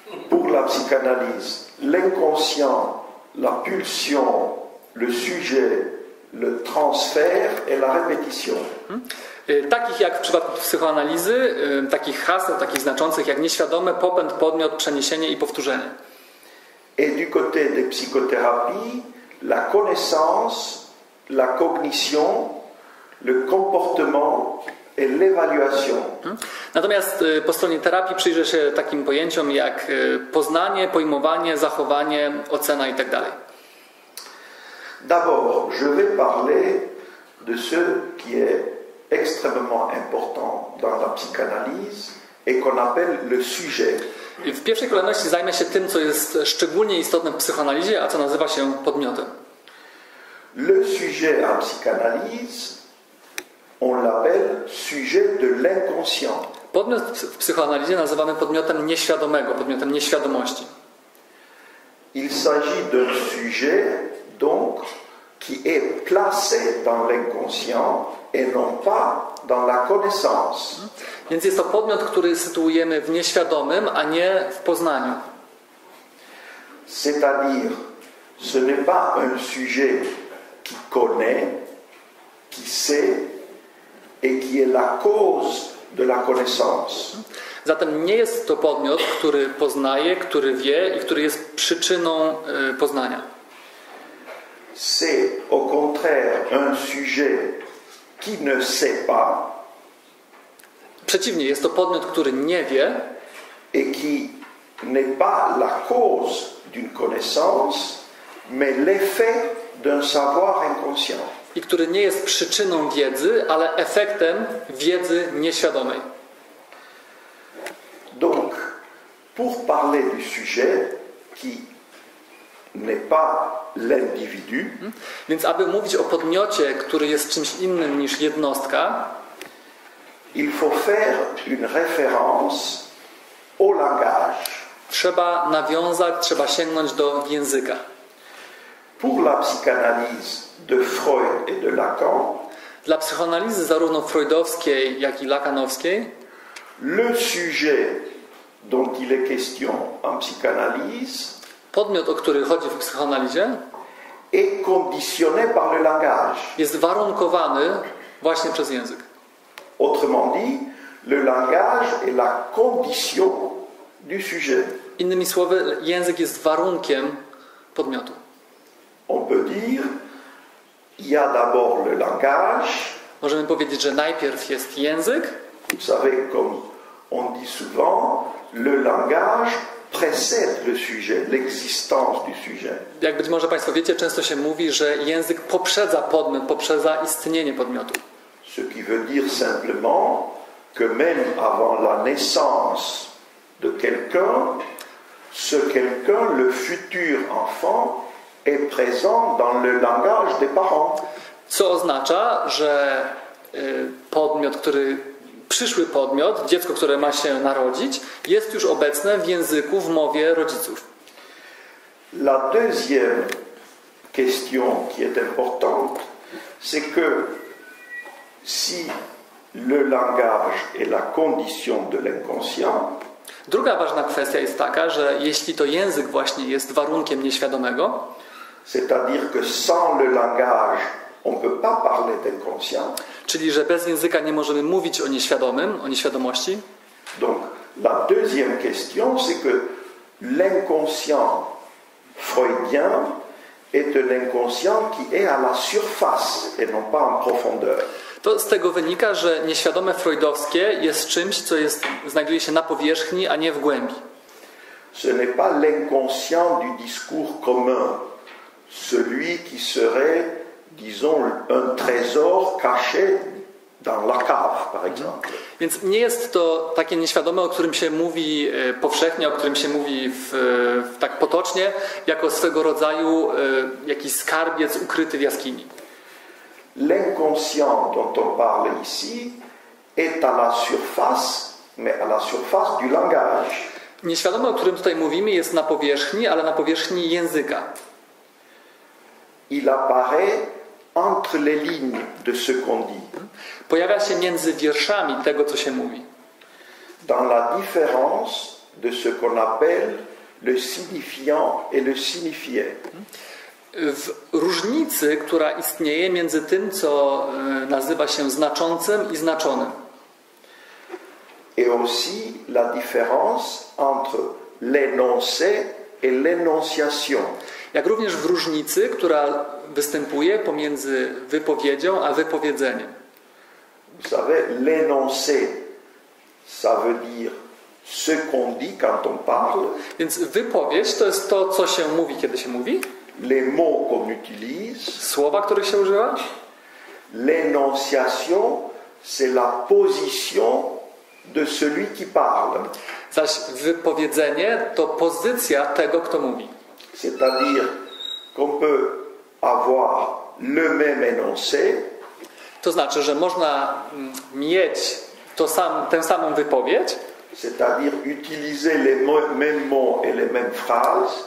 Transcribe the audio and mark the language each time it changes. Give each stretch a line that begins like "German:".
French: Pour la psychanalyse, l'inconscient, la pulsion, le sujet, le transfert et la répétition.
Polish: Takich jak w przypadku psychoanalizy, takich haseł, takich znaczących jak nieświadome, popęd, podmiot, przeniesienie i powtórzenie.
French: Et du côté de psychothérapie, la connaissance, la cognition, le comportement et l'évaluation.
Polish: Natomiast po stronie terapii przyjrzę się takim pojęciom jak poznanie, pojmowanie, zachowanie, ocena itd.
French: D'abord, je vais parler de ce qui est extrêmement important dans la psychanalyse et qu'on appelle le sujet.
Polish: W pierwszej kolejności zajmę się tym, co jest szczególnie istotne w psychoanalizie, a co nazywa się podmiotem.
French: Le sujet en psychanalyse, on l'appelle sujet de l'inconscient.
Polish: Podmiot w psychoanalizie nazywamy podmiotem nieświadomego, podmiotem nieświadomości.
French: Il s'agit d'un sujet donc qui est placé dans l'inconscient et non pas dans la connaissance.
Polish: Więc jest to podmiot, który sytuujemy w nieświadomym, a nie w poznaniu.
French: C'est-à-dire, ce n'est pas un sujet qui connaît, qui sait et qui est la cause de la connaissance.
Polish: Zatem nie jest to podmiot, który poznaje, który wie i który jest przyczyną poznania.
French: C'est au contraire un sujet qui ne sait pas.
Polish: Przeciwnie, jest to podmiot, który nie wie.
French: Et qui n'est pas la cause d'une connaissance, mais l'effet d'un savoir inconscient.
Polish: I który nie jest przyczyną wiedzy, ale efektem wiedzy nieświadomej.
French: Donc, pour parler du sujet qui n'est pas l'individu.
Polish: Więc aby mówić o podmiocie, który jest czymś innym niż jednostka,
French: il faut faire une référence au langage.
Polish: Trzeba nawiązać, trzeba sięgnąć do języka.
French: Pour la psychanalyse de Freud et de Lacan,
Polish: dla psychoanalizy zarówno freudowskiej, jak i lacanowskiej,
French: le sujet dont il est question en psychanalyse,
Polish: podmiot, o który chodzi w psychoanalizie,
French: est conditionné par le langage.
Polish: Jest warunkowany właśnie przez język.
French: Autrement dit, le langage est la condition du sujet.
Polish: Innymi słowy, język jest warunkiem podmiotu.
French: On peut dire, il y a d'abord le langage.
Polish: Możemy powiedzieć, że najpierw jest język.
French: Vous savez, comme on dit souvent, le langage précède le sujet, l'existence du sujet.
Polish: Jak być może Państwo wiecie, często się mówi, że język poprzedza podmiot, poprzedza istnienie podmiotu.
French: Ce qui veut dire simplement que même avant la naissance de quelqu'un, ce quelqu'un, le futur enfant, est présent dans le langage des parents.
Polish: Co oznacza, że podmiot, który przyszły podmiot, dziecko, które ma się narodzić, jest już obecne w języku, w mowie rodziców.
French: La deuxième question qui est importante, c'est que si le langage est la condition de l'inconscient,
Polish: druga ważna kwestia jest taka, że jeśli to język właśnie jest warunkiem nieświadomego,
French: c'est-à-dire que sans le langage, on peut pas parler d'inconscient.
Polish: Czyli że bez języka nie możemy mówić o nieświadomym, o nieświadomości.
French: Donc la deuxième question, c'est que l'inconscient freudien est un inconscient qui est à la surface et non pas en profondeur.
Polish: To z tego wynika, że nieświadome freudowskie jest czymś, co jest, znajduje się na powierzchni, a nie w głębi.
French: Ce n'est pas l'inconscient du discours commun, celui qui serait, disons, un trésor caché dans la cave, par exemple.
Polish: Więc nie jest to takie nieświadome, o którym się mówi powszechnie, o którym się mówi tak potocznie, jako swego rodzaju jakiś skarbiec ukryty w jaskini.
French: L'inconscient dont on parle ici est à la surface, mais à la surface du langage.
Polish: Nieświadome, o którym tutaj mówimy, jest na powierzchni, ale na powierzchni języka.
French: Il apparaît entre les lignes de ce qu'on dit.
Polish: Pojawia się między wierszami tego, co się mówi.
French: Dans la différence de ce qu'on appelle le signifiant et le signifié.
Polish: W różnicy, która istnieje między tym, co nazywa się znaczącym i znaczonym.
French: Et aussi la différence entre l'énoncé et l'énonciation.
Polish: Jak również w różnicy, która występuje pomiędzy wypowiedzią a wypowiedzeniem.
French: Vous savez, l'énoncé, ça veut dire ce qu'on dit quand on parle.
Polish: Więc wypowiedź to jest to, co się mówi, kiedy się mówi.
French: Les mots qu'on utilise.
Polish: Słowa, których się używa.
French: L'énonciation, c'est la position de celui qui parle.
Polish: Zaś wypowiedzenie to pozycja tego, kto mówi.
French: C'est-à-dire qu'on peut avoir le même énoncé.
Polish: To znaczy, że można mieć to sam, tę samą wypowiedź.
French: C'est-à-dire utiliser les mêmes mots et les mêmes phrases.